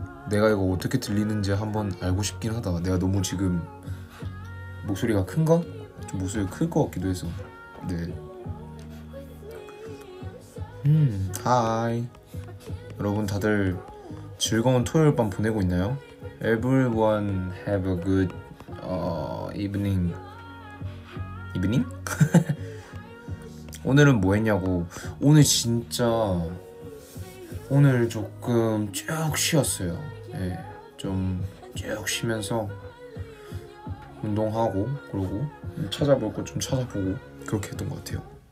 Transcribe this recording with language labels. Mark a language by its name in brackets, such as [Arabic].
[Korean] 내가 이거 어떻게 들리는지 한번 알고 싶긴 하다. 내가 너무 지금 목소리가 큰가? 좀 목소리 클 것 같기도 해서. 네. 하이. 여러분 다들 즐거운 토요일 밤 보내고 있나요? [English] Everyone have a good evening? [Korean] 오늘은 뭐 했냐고. 오늘 진짜 오늘 조금 쭉 쉬었어요. 예. 네, 좀 쭉 쉬면서 운동하고 그러고 찾아볼 거 좀 찾아보고 그렇게 했던 것 같아요.